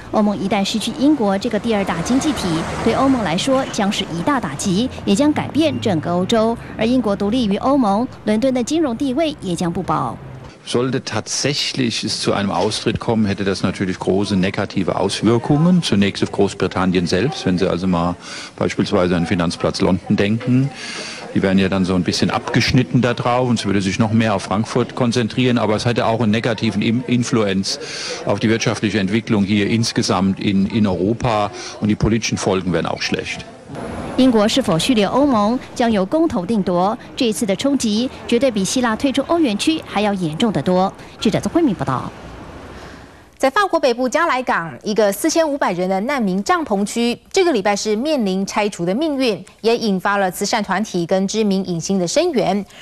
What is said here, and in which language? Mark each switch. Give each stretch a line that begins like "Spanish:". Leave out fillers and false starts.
Chinese: 欧盟一旦失去英国这个第二大经济体，对欧盟来说将是一大打击，也将改变整个欧洲。而英国独立于欧盟，伦敦的金融地位也将不保。
German: Sollte tatsächlich es zu einem Austritt kommen, hätte das natürlich große negative Auswirkungen. Zunächst auf Großbritannien selbst, wenn Sie also mal beispielsweise an Finanzplatz London denken. Die werden ja dann so ein bisschen abgeschnitten da drauf und sie würde sich noch mehr auf Frankfurt konzentrieren. Aber es hätte auch einen negativen Influenz auf die wirtschaftliche Entwicklung hier insgesamt in Europa und die politischen Folgen wären auch schlecht.
Chinese: 英国是否续留欧盟将由公投定夺，这一次的冲击绝对比希腊退出欧元区还要严重得多。记者曾慧敏报道。在法国北部加莱港，一个4500人的难民帐篷区，这个礼拜是面临拆除的命运，也引发了慈善团体跟知名影星的声援。